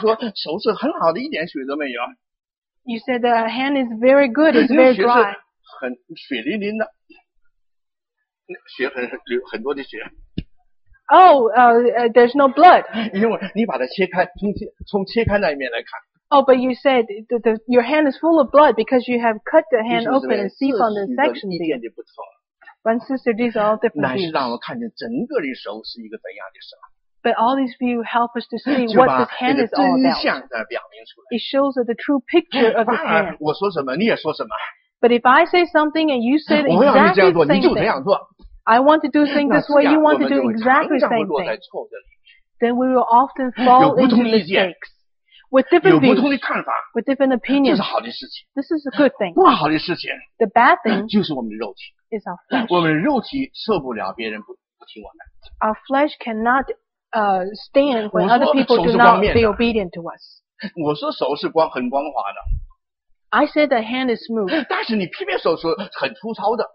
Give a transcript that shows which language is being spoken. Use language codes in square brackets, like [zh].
[zh] 那我说手是很好的，一点血都没有。 [en] You said the hand is very good, it's very dry. [zh] 血是很血淋淋的，血很流很多的血。 [en] There's no blood. [zh] 因为你把它切开，从切开那一面来看。 [en] Oh, but you said the your hand is full of blood because you have cut the hand open and see from the section. [zh] 意见就不错。 [en] But sister, these are all different views. [zh] 乃是让我看见整个的手是一个怎样的手。 [en] But all these views help us to see what this hand is all about. [zh] 真相在表明出来。 [en] It shows the true picture of the hand. [zh] 我说什么，你也说什么。 [en] But if I say something and you say exactly the same thing. [zh] 我要你这样做，你就这样做。 [en] I want to do things this way. You want to do exactly the same thing. Then we will often fall into mistakes. With different views. [zh] 有不同的看法。 [en] With different opinions. [zh] 这是好的事情。 [en] This is a good thing. [zh] 不好的事情。 [en] The bad thing. [zh] 就是我们的肉体。 [en] Is our flesh. [zh] 我们肉体受不了别人不听我们。 [en] our flesh cannot stand when other people do not be obedient to us. [zh] 我说手是光很光滑的。 [en] I said the hand is smooth. [zh] 但是你偏偏手是很粗糙的。